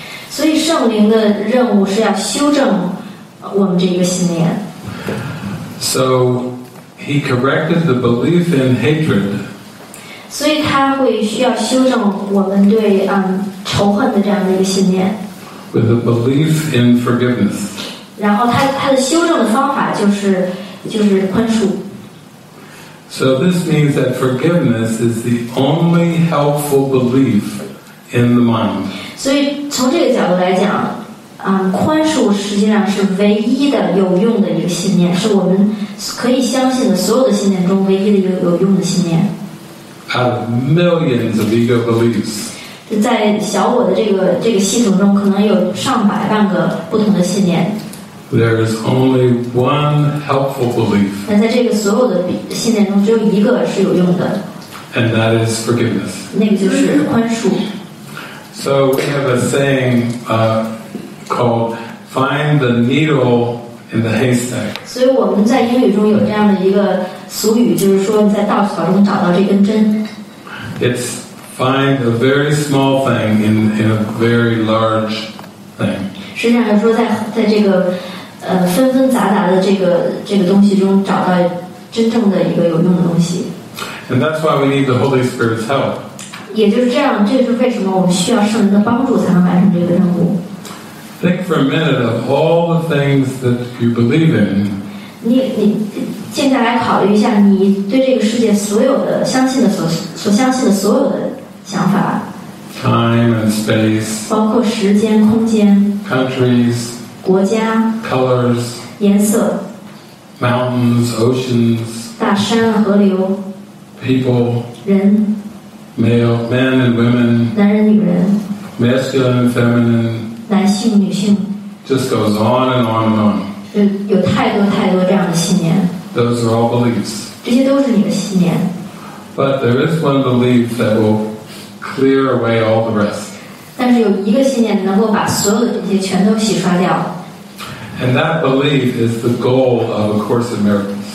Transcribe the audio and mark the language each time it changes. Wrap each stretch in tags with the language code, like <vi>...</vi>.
<zh>所以圣灵的任务是要修正我们这个信念。</zh> <en>So he corrected the belief in hatred.</en> <zh>所以他会需要修正我们对仇恨的这样的一个信念。</zh> <en>With a belief in forgiveness.</en> <zh>然后他的修正的方法就是宽恕。</zh> <en>So this means that forgiveness is the only helpful belief in the mind.</en> <zh>所以从这个角度来讲，宽恕实际上是唯一的有用的一个信念，是我们可以相信的所有的信念中唯一的一个有用的信念。</zh> <en>Out of millions of ego beliefs.</en> <zh>在小我的这个系统中，可能有上百万个不同的信念。</zh> <en>There is only one helpful belief.</en> <zh>但在这个所有的信念中，只有一个是有用的。</zh> <en>And that is forgiveness.</en> <zh>那个就是宽恕。</zh> <en>So we have a saying called "Find the needle in the haystack."</en> <zh>所以我们在英语中有这样的一个俗语，就是说你在稻草中找到这根针。</zh> <en>It's find a very small thing in a very large thing.</en> <zh>实际上来说在这个纷纷杂杂的这个东西中找到真正的一个有用的东西。</zh> <en>And that's why we need the Holy Spirit's help.</en> <zh>也就是这样，这就是为什么我们需要圣灵的帮助才能完成这个任务。</zh> <en>Think for a minute of all the things that you believe in.</en> <zh>你现在来考虑一下你对这个世界所有的相信的所相信的所有的想法。</zh> <en>Time and space,</en> <zh>包括时间、空间</zh> <en>countries,</en> <zh>国家</zh> <en>colors,</en> <zh>颜色</zh> <en>mountains, oceans,</en> <zh>大山、河流</zh> <en>people,</en> <zh>人</zh> <en>male, men and women,</en> <zh>男人、女人</zh> <en>masculine and feminine,</en> <zh>男性、女性</zh> <en>just goes on and on and on.</en> <zh>有太多太多这样的信念</zh> <en>those are all beliefs.</en> <zh>这些都是你的信念</zh> <en>but there is one belief that will. Clear away all the rest.</en> <zh>但是有一个信念能够把所有的这些全都洗刷掉。</zh> <en>And that belief is the goal of A Course in Miracles.</en>